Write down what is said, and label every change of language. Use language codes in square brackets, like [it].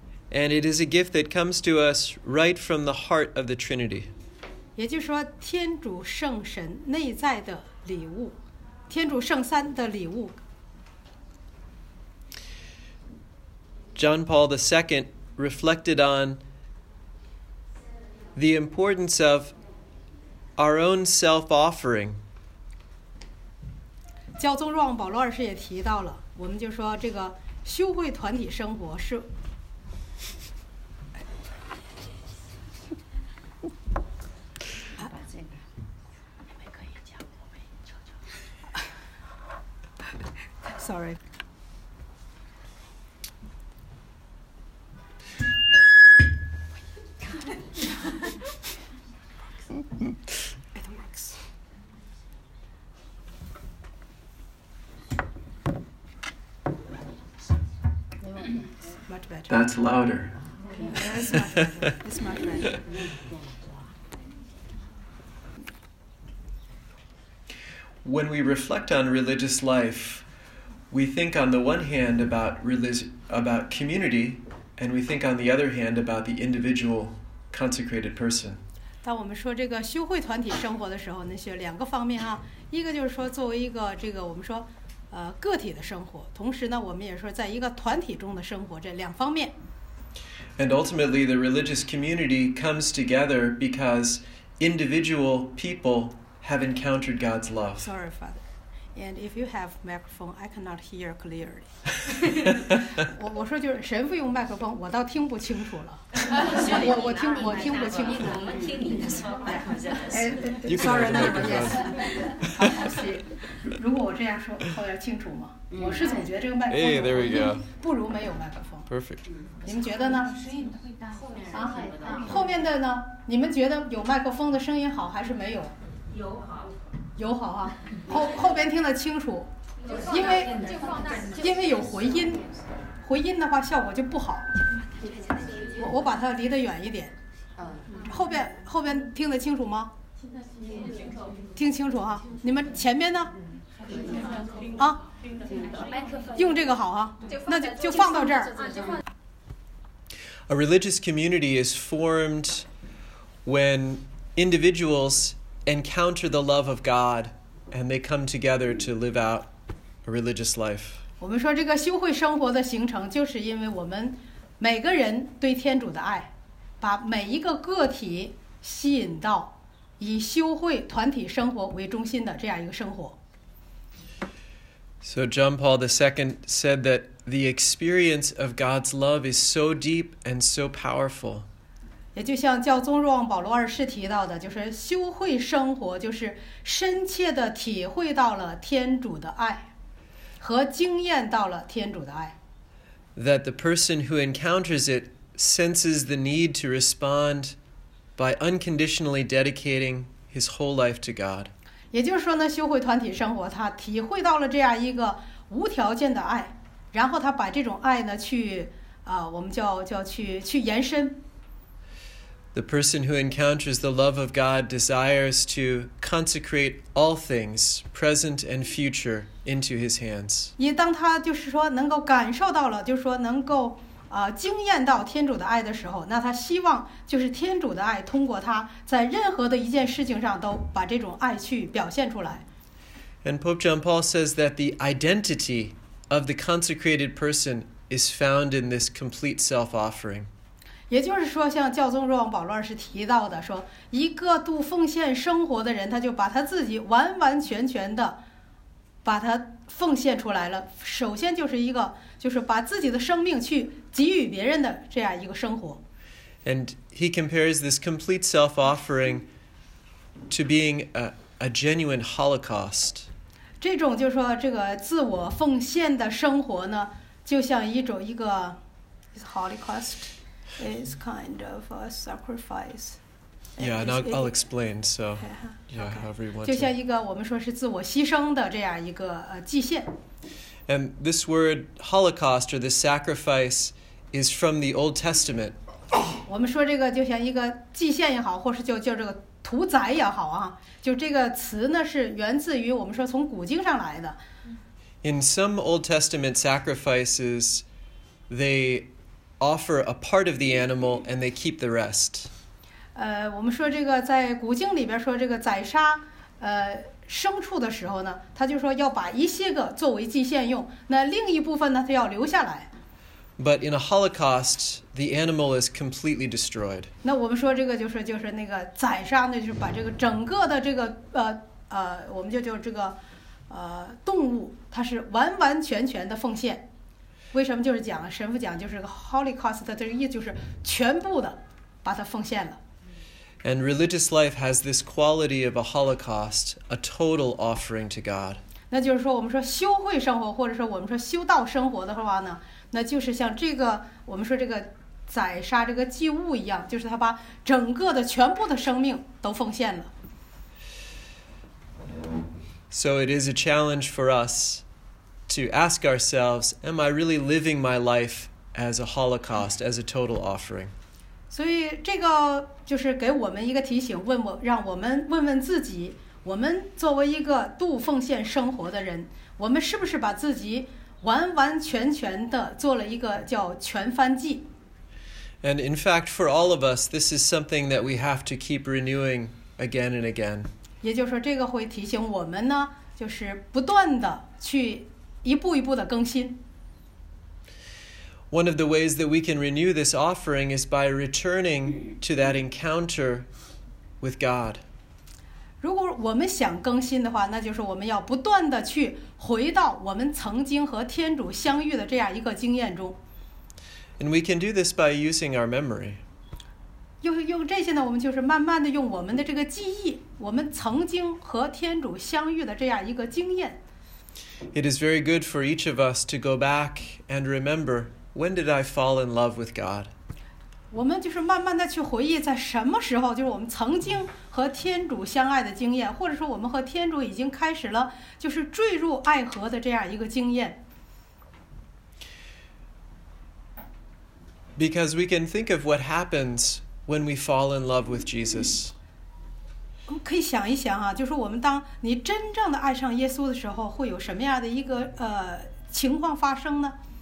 [en] And it is a gift that comes to us right from the heart of the Trinity. [zh] 也就是说，天主圣神内在的礼物，天主圣三的礼物。 [en] John Paul II reflected on the importance of our own self-offering. [zh] 教宗若望保罗二世也提到了，我们就说这个。修会团体生活是 [en] Sorry. It works. Much better. That's louder. It's much better. It's much better. When we reflect on religious life, we think on the one hand about community, and we think on the other hand about the individual consecrated person. [zh] 当我们说这个修会团体生活的时候，那是两个方面啊。一个就是说，作为一个这个我们说。个体的生活，同时呢，我们也说在一个团体中的生活，这两方面。 [en] And ultimately, the religious community comes together because individual people have encountered God's love. Sorry, Father. And if you have microphone, I cannot hear clearly. [zh] 我说就是神父用麦克风，我倒听不清楚了。我听不清楚。我们听你的说话好像是。 [en] You can hear me. Yes. [zh] 好，如果我这样说，后边清楚吗？我是总觉得这个麦克风。 [en] Hey, there we go. [zh] 不如没有麦克风。 [en] Perfect. [zh] 你们觉得呢？声音会大后面啊？后面的呢？你们觉得有麦克风的声音好还是没有？有好。友好啊，后边听得清楚，因为有回音，回音的话效果就不好。我把它离得远一点，后边听得清楚吗？听清楚啊，你们前面呢？啊，用这个好啊，那就放到这儿。 [en] A religious community is formed when individuals. Encounter the love of God, and they come together to live out a religious life. [zh] 我们说这个修会生活的形成，就是因为我们每个人对天主的爱，把每一个个体吸引到以修会团体生活为中心的这样一个生活。 [en] So John Paul II said that the experience of God's love is so deep and so powerful. [zh] 也就像教宗若望保罗二世提到的，就是修会生活，就是深切地体会到了天主的爱，和经验到了天主的爱。 [en] That the person who encounters it senses the need to respond by unconditionally dedicating his whole life to God. [zh] 也就是说呢，修会团体生活，他体会到了这样一个无条件的爱，然后他把这种爱呢，去我们叫去延伸。 [en] The person who encounters the love of God desires to consecrate all things, present and future, into his hands. [zh] 也当他就是说能够感受到了，就是说能够经验到天主的爱的时候，那他希望就是天主的爱通过他在任何的一件事情上都把这种爱去表现出来。 [en] And Pope John Paul says that the identity of the consecrated person is found in this complete self-offering. [zh] 也就是说，像教宗若望保禄二世提到的，说一个度奉献生活的人，他就把他自己完完全全的把他奉献出来了。首先就是一个，就是把自己的生命去给予别人的这样一个生活。 [en] And he compares this complete self-offering to being a genuine holocaust. [zh] 这种就是说这个自我奉献的生活呢，就像一种一个 [en] holocaust is kind of a sacrifice. Yeah, and I'll explain. So, yeah, okay. However you want. [zh] 就像一个我们说是自我牺牲的这样一个祭献。 [en] And this word holocaust or this sacrifice is from the Old Testament. [zh] 我们说这个就像一个祭献也好，或是就这个屠宰也好啊，就这个词呢是源自于我们说从古经上来的。 [en] In some Old Testament sacrifices, they offer a part of the animal and they keep the rest. [zh] 我们说这个在古经里边说这个宰杀牲畜的时候呢，他就说要把一些个作为祭献用，那另一部分呢他要留下来。 [en] But in a holocaust, the animal is completely destroyed. [zh] 那我们说这个就是那个宰杀呢，就是把这个整个的这个我们就这个动物，它是完完全全的奉献。为什么就是讲神父讲就是个 holocaust 的这个意思，就是全部的把它奉献了。 [en] And religious life has this quality of a holocaust, a total offering to God. [zh] 那就是说我们说修会生活，或者说我们说修道生活的话呢，那就是像这个我们说这个宰杀这个祭物一样，就是他把整个的全部的生命都奉献了。 [en] So it is a challenge for us to ask ourselves, am I really living my life as a holocaust, as a total offering? [zh] 所以这个就是给我们一个提醒，让我们问问自己，我们作为一个度奉献生活的人，我们是不是把自己完完全全的做了一个叫全燔祭。 [en] And in fact, for all of us, this is something that we have to keep renewing again and again. [zh] 也就是说这个会提醒我们呢，就是不断的去一步一步的更新。 [en] One of the ways that we can renew this offering is by returning to that encounter with God. [zh] 如果我们想更新的话，那就是我们要不断的去回到我们曾经和天主相遇的这样一个经验中。 [en] And we can do this by using our memory. [zh] 用这些呢，我们就是慢慢的用我们的这个记忆，我们曾经和天主相遇的这样一个经验。 [en] It is very good for each of us to go back and remember, when did I fall in love with God? [zh] 我们就是慢慢的去回忆，在什么时候，就是我们曾经和天主相爱的经验，或者说我们和天主已经开始了，就是坠入爱河的这样一个经验。 [en] Because we can think of what happens when we fall in love with Jesus. [zh] 我们可以想一想啊，就是我们当你真正的爱上耶稣的时候，会有什么样的一个情况发生呢？